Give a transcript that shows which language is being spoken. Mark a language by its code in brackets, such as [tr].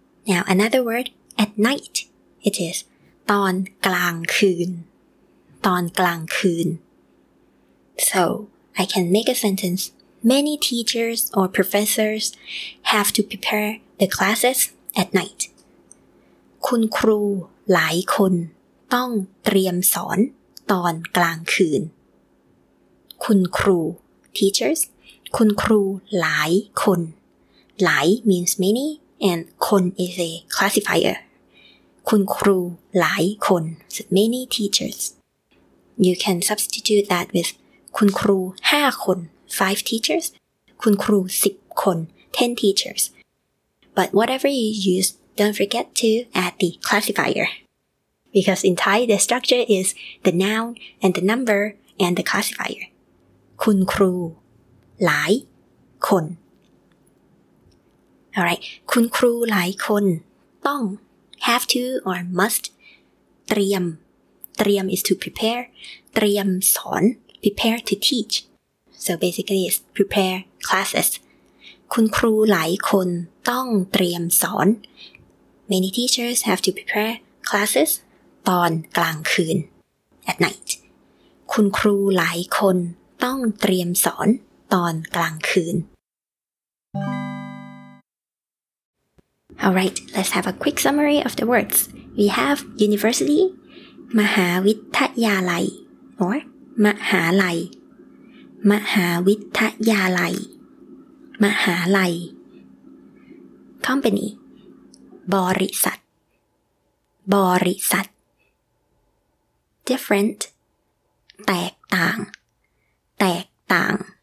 [en] Now another word at night it is [th] ตอนกลางคืนตอนกลางคืน [en] So I can make a sentenceMany teachers or professors have to prepare the classes at night. [th] คุณครูหลายคนต้องเตรียมสอนตอนกลางคืน [en] คุณครู teachers [th] คุณครูหลายคนหลาย [en] means many and คน is a classifier. [th] คุณครูหลายคน [en] so many teachers. You can substitute that with [th] คุณครู5คน5 [en] teachers [th] คุณครู10คน10 [en] teachers but whatever you use don't forget to add the classifier because in Thai the structure is the noun and the number and the classifier [th] คุณครูหลายคน [en] all right [th] คุณครูหลายคนต้อง [en] have to or must เตรียม is to prepare [th] เตรียมสอน [en] prepare to teachSo basically it's prepare classes. [th] คุณครูหลายคนต้องเตรียมสอน [en] Many teachers have to prepare classes [th] ตอนกลางคืน [en] at night. [th] คุณครูหลายคนต้องเตรียมสอนตอนกลางคืน [en] All right, let's have a quick summary of the words. We have university, มหาวิทยาลัย or มหาลัย มหาวิทยาลัย มหาลัย company, บริษัท บริษัท different, แตกต่าง แตกต่าง